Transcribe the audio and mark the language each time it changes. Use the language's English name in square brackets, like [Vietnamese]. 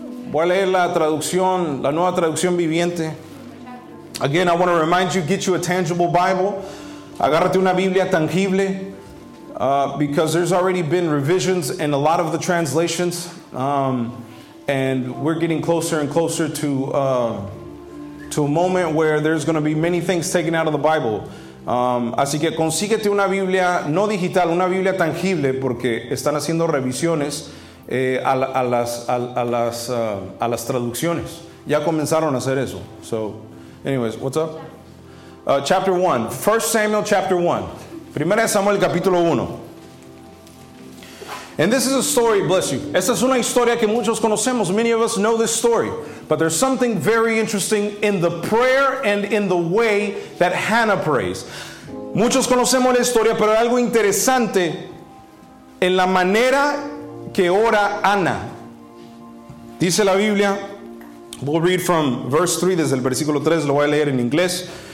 [Spanish] Voy a leer la nueva traducción viviente. [English] Again, I want to remind you, get you a tangible Bible. [Spanish] Agárrate una Biblia tangible. [English] Because there's already been revisions in a lot of the translations. And we're getting closer and closer to to a moment where there's going to be many things taken out of the Bible. [Spanish] Así que consíguete una Biblia no digital, una Biblia tangible, porque están haciendo revisiones a las traducciones. Ya comenzaron a hacer eso. [English] So, anyways, what's up? Chapter 1. 1 Samuel chapter 1. [Spanish] Primera de Samuel capítulo 1. [English] And this is a story, bless you. [Spanish] Esta es una historia que muchos conocemos. [English] Many of us know this story. But there's something very interesting in the prayer and in the way that Hannah prays. [Spanish] Muchos conocemos la historia, pero hay algo interesante en la manera que ora Ana. Dice la Biblia, [English] we'll read from verse 3, [Spanish] desde el versículo 3, lo voy a leer en inglés.